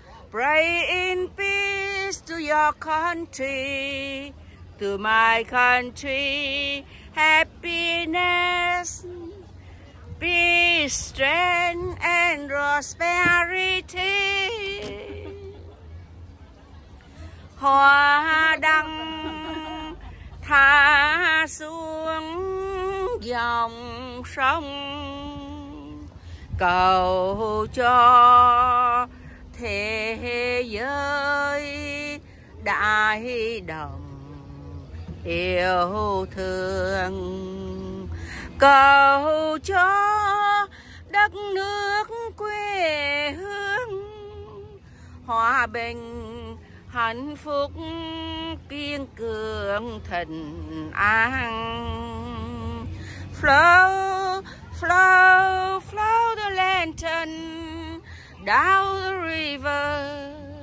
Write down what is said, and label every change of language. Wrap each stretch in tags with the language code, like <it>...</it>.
<en>Pray in peace to your country, to my country, happiness, peace, strength, and prosperity.</en> <vi>Hoa đăng thả xuống dòng sông, cầu cho thế giới đại đồng yêu thương, cầu cho đất nước quê hương hòa bình hạnh phúc kiên cường thịnh an.</vi> <en>Flow, flow, flow the lantern down the river.</en>